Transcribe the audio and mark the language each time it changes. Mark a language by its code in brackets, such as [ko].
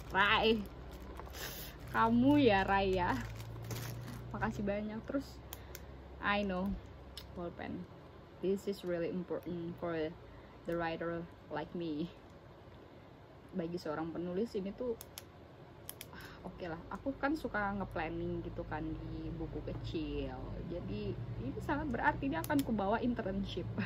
[id] Rai, kamu ya Rai ya, makasih banyak. Terus, [en] I know, ballpen, this is really important for the writer like me. [id] Bagi seorang penulis ini tuh, oke lah, aku kan suka nge-planning gitu kan di buku kecil. Jadi ini sangat berarti, ini akan kubawa internship.